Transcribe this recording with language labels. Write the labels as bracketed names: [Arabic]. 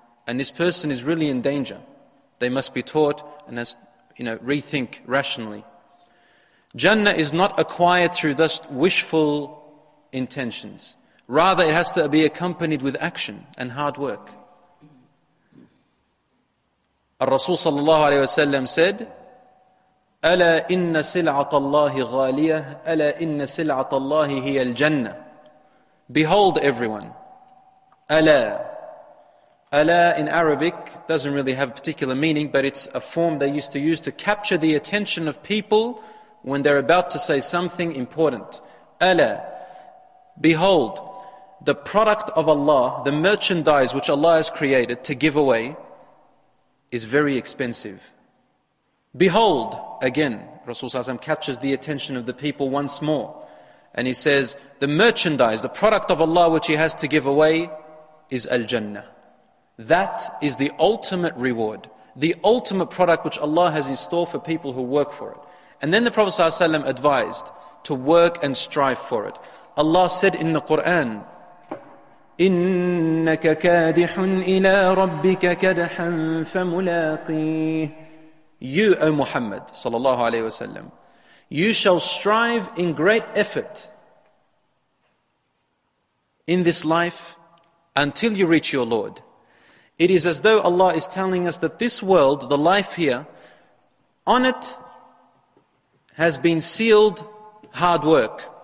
[English] And this person is really in danger. They must be taught and has, you know, rethink rationally. Jannah is not acquired through just wishful intentions. Rather, it has to be accompanied with action and hard work. [Arabic] Al-Rasul sallallahu alayhi wa sallam said, أَلَا إِنَّ سِلْعَةَ اللَّهِ غَالِيَةً أَلَا إِنَّ سِلْعَةَ اللَّهِ هِيَ الْجَنَّةِ. [English] Behold everyone. أَلَا. Allah in Arabic doesn't really have a particular meaning, but it's a form they used to use to capture the attention of people when they're about to say something important. Allah, behold, the product of Allah, the merchandise which Allah has created to give away, is very expensive. Behold, again, Rasulullah ﷺ captures the attention of the people once more. And he says, the merchandise, the product of Allah which he has to give away is Al-Jannah. That is the ultimate reward, the ultimate product which Allah has in store for people who work for it. And then the Prophet ﷺ advised to work and strive for it. Allah said in the Quran, [Arabic] إِنَّكَ كَادِحٌ إِلَىٰ رَبِّكَ كَدْحًا فَمُلَاقِيهِ. [English] You, O Muhammad sallallahu alayhi wa sallam, you shall strive in great effort in this life until you reach your Lord. It is as though Allah is telling us that this world, the life here, on it has been sealed hard work.